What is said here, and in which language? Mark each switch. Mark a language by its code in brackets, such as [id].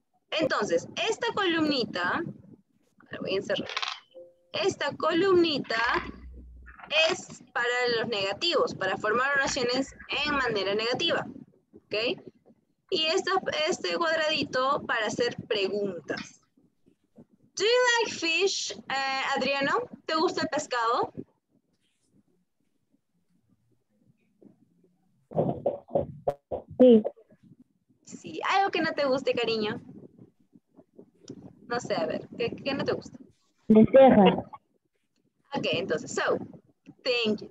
[es] Entonces, esta columnita, voy a encerrar. Esta columnita es para los negativos, para formar oraciones en manera negativa. ¿Ok? Y este cuadradito para hacer preguntas. [en] Do you like fish, Adriano? [es] ¿Te gusta el pescado? Sí. Sí, algo que no te guste, cariño. No sé, a ver, ¿qué no te gusta? De tierra. Ok, entonces, [en] so, thank you.